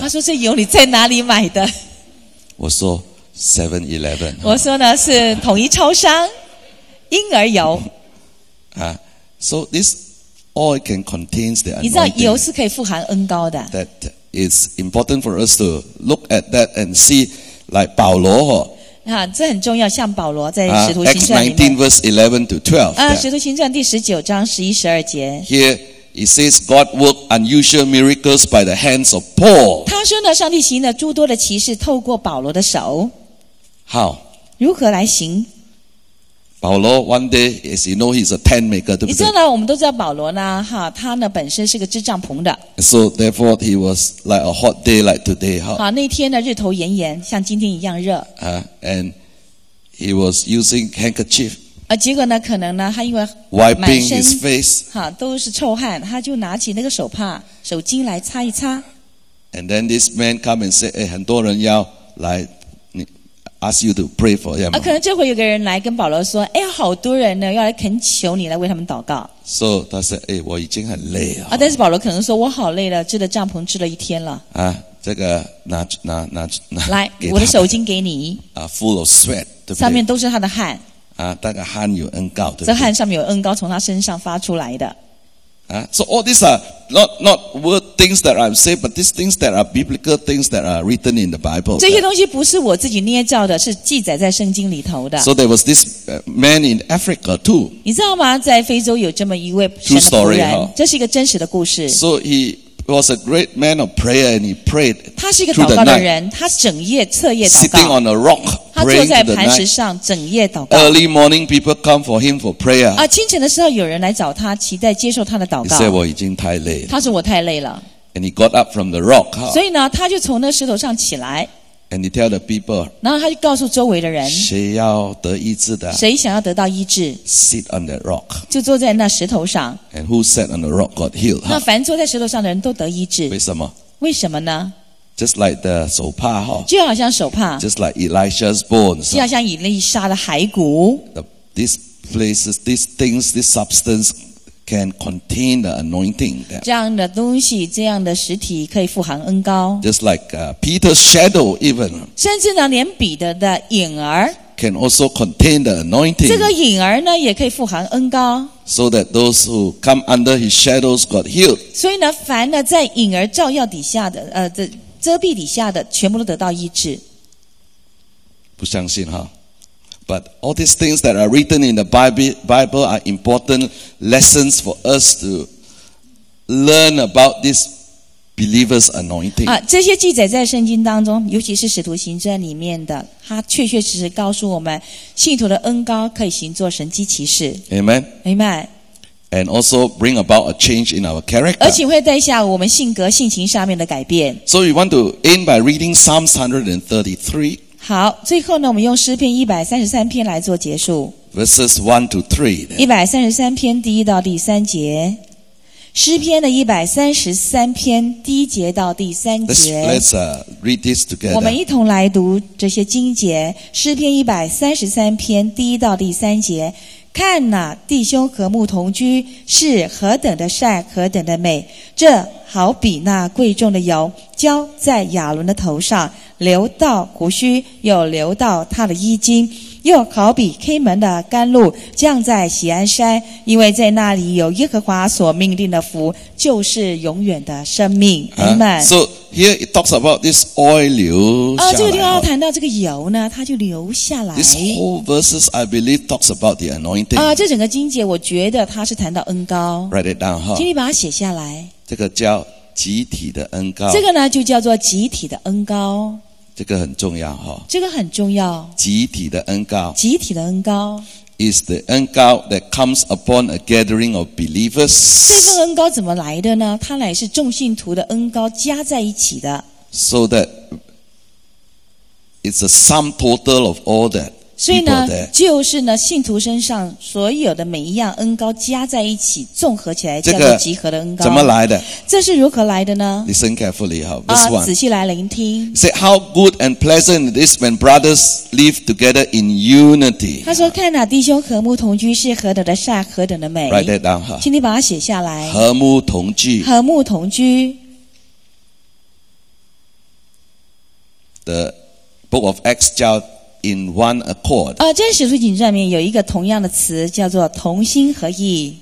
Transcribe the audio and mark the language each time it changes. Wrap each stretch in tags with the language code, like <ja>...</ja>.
<zh>他说这油你在哪里买的？我说。7-Eleven 我说呢是统一超商婴儿油</zh> <en>啊 ，so this oil can contains the anointing.</en> <zh>你知道油是可以富含恩膏的。</zh> <en>That is important for us to look at that and see, like 保罗哈。</en> <zh>啊，这很重要，像保罗在使徒行传里面。</zh> <en>Acts 19:11-12。</en> <zh>啊，使徒行传第十九章十一十二节。</zh> <en>Here. He says God worked unusual miracles by the hands of Paul.</en> <zh>他说呢，上帝行了诸多的奇事，透过保罗的手。</zh> <en>How?</en> <zh>如何来行？</zh> <en>保罗 one day, as you know, he's a tent maker,</en> <zh>对不对？你知道呢，我们都知道保罗呢，哈，他呢本身是个支帐篷的。</zh> <en>So therefore, he was like a hot day like today, 哈。</en> <zh>好，那天呢，日头炎炎，像今天一样热。</zh> <en>And he was using handkerchief.</en> <zh>结果呢可能呢他因为</zh> <en>wiping his face,</en> <zh>都是臭汗他就拿起那个手帕手巾来擦一擦。</zh> <en>And then this man come and say,</en> <zh>很多人要来</zh> <en>ask you to pray for them.</en> <zh>可能就会有个人来跟保罗说，哎，好多人呢，要来恳求你来为他们祷告。 So, 他说，哎，我已经很累了。但是保罗可能说，我好累了，支了帐篷，支了一天了。这个拿来，我的手巾给你。</zh> <en>Full of sweat,</en> <zh>对不对？上面都是他的汗。大概汗有恩膏，对不对？这汗上面有恩膏从他身上发出来的。</zh> <en>So all these are not word things that I'm saying, but these things that are biblical things that are written in the Bible.</en> <zh>这些东西不是我自己捏造的，是记载在圣经里头的。</zh> <en>So there was this man in Africa too.</en> <zh>你知道吗？在非洲有这么一位神的仆人。</zh> <en>True story,</en> <zh>这是一个真实的故事。</zh> <en>So he was a great man of prayer and he prayed through the night.</en> <zh>他是一个祷告的人，他整夜彻夜祷告。</zh> <en>Sitting on a rock.</en> <zh>他坐在磐石上整夜祷告。</zh> <en>Early morning, people come for him for prayer.</en> <zh>清晨的时候有人来找他，期待接受他的祷告。</zh> <en>He said,</en> <zh>我已经太累了。他说我太累了。</zh> <en>And he got up from the rock.</en> <zh>所以呢，他就从那石头上起来。</zh> <en>And he tell the people.</en> <zh>然后他就告诉周围的人。谁要得医治的？谁想要得到医治</zh> <en>？Sit on that rock.</en> <zh>就坐在那石头上。</zh> <en>And who sat on the rock got healed?</en> <zh>那凡坐在石头上的人都得医治。为什么？为什么呢？</zh> <en>Just like the 手帕哈，</en> <zh>就好像手帕。</zh> <en>Just like Elisha's bones，</en> <zh>就好像以利沙的骸骨。</zh> <en>These places, these things, this substance can contain the anointing.</en> <zh>这样的东西，这样的实体可以富含恩膏。</zh> <en>Just like Peter's shadow, even.</en> <zh>甚至呢，连彼得的影儿。</zh> <en>Can also contain the anointing.</en> <zh>这个影儿呢，也可以富含恩膏。</zh> <en>So that those who come under his shadows got healed.</en> <zh>所以呢，凡呢在影儿照耀底下的这。遮蔽底下的全部都得到医治。不相信哈。</zh> <en>But all these things that are written in the Bible are important lessons for us to learn about this believer's anointing.</en> <zh>这些记载在圣经当中，尤其是使徒行传里面的，它确确实实告诉我们，信徒的恩膏可以行作神迹奇事。</zh> <en>Amen. Amen. And also bring about a change in our character.</en> <zh>而且会带下我们性格性情上面的改变。</zh> <en>So we want to end by reading Psalms 133.</en> <zh>好，最后呢，我们用诗篇133篇来做结束。</zh> <en>Verses 1 to</en> <zh>3. 133篇第一到第三节。诗篇的133篇第一节到第三节。 Let's read this together. 我们一同来读这些经节。诗篇133篇第一到第三节。看哪，弟兄和睦同居是何等的善，何等的美。这好比那贵重的油浇在亚伦的头上，流到胡须，又流到他的衣襟，又好比黑门的甘露降在锡安山，因为在那里有耶和华所命定的福，就是永远的生命。</zh> <en>Amen. So here it talks about this oil</en> <zh>流下来。这个地方谈到这个油呢，它就流下来。</zh> <en>This whole verses I believe talks about the anointing.</en> <zh>这整个经节我觉得它是谈到恩膏。</zh> <en>Write it down,</en> <zh>请你把它写下来。这个叫集体的恩膏。这个呢，就叫做集体的恩膏。这个很重要哈，这个很重要。集体的恩膏，集体的恩膏</zh> <en>，is the 恩膏 that comes upon a gathering of believers。</en> <zh>这份恩膏怎么来的呢？它乃是众信徒的恩膏加在一起的。</zh> <en>So that it's a sum total of all that。</en> <zh>所以呢，就是呢，信徒身上所有的每一样恩膏加在一起，综合起来叫做集合的恩膏。这个、怎么来的？这是如何来的呢</zh> <en>？Listen carefully, verse one.</en> <zh>仔细来聆听。</zh> <en>Say how good and pleasant it is when brothers live together in unity.</en> <zh>他说：“看哪，弟兄和睦同居是何等的善，何等的美。</zh> <en>”Write that down,</en> <zh>请你把它写下来。和睦同居。和睦同居。</zh> <en>The Book of Acts 叫。In one accord.</en> <zh>在使徒行传里面有一个同样的词叫做同心合意。</zh>